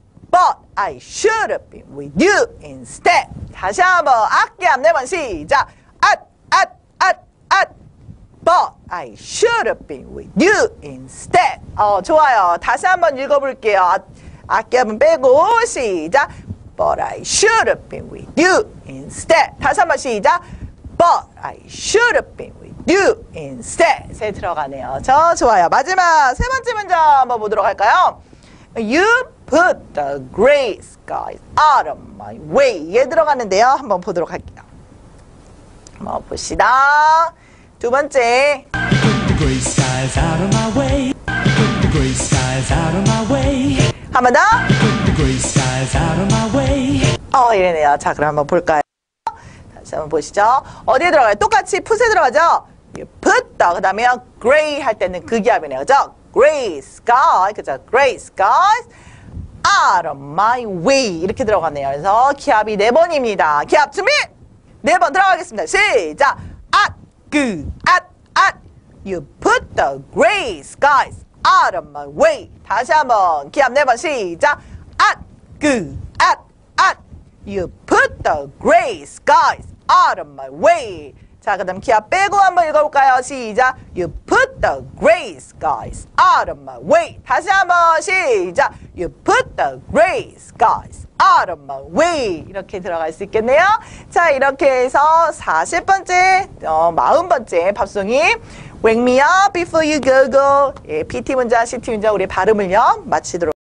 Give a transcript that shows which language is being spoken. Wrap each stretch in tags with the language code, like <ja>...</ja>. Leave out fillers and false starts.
<en>But I should have been with you instead.</en> <ko>다시 한 번, 악기압 네 번, 시작! at, at, at, at.</ko> <en>But I should have been with you instead.</en> <ko>좋아요. 다시 한번 읽어볼게요. 악기압은 빼고, 시작!</ko> <en>But I should have been with you instead.</en> <ko>다시 한 번, 시작!</ko> <en>But I should have been with you instead</en> <ko>에 들어가네요. 저 좋아요. 마지막 세 번째 문장 한번 보도록 할까요?</ko> <en>You put the gray skies out of my way</en> <ko>에 들어갔는데요. 한번 보도록 할게요. 한번 봅시다. 두 번째</ko> <en>You put the gray skies out of my way You put the gray skies out of my way</en> <ko>한번 더</ko> <en>You put the gray skies out of my way</en> <ko>이러네요. 자, 그럼 한번 볼까요? 한번 보시죠. 어디에 들어가요? 똑같이 풋에 들어가죠?</ko> <en>You put the,</en> <ko>그 다음에 gray 할 때는 그 기압이네요. 그죠?</ko> <en>gray sky, 그죠? gray skies out of my way.</en> <ko>이렇게 들어가네요. 그래서 기압이 네 번입니다. 기압 준비! 네 번 들어가겠습니다. 시작! at, good, at, at.</ko> <en>You put the gray skies out of my way.</en> <ko>다시 한번 기압 네 번 시작! at, good, at, at.</ko> <en>You put the gray skies out of my way.</en> <ko>자, 그 다음 기압 빼고 한번 읽어볼까요? 시작!</ko> <en>You put the gray skies out of my way.</en> <ko>다시 한번 시작!</ko> <en>You put the gray skies out of my way.</en> <ko>이렇게 들어갈 수 있겠네요. 자, 이렇게 해서 40번째, 40번째 팝송이 Wake me up before you go go 예, PT 문장, CT 문장 우리 발음을요 마치도록</ko>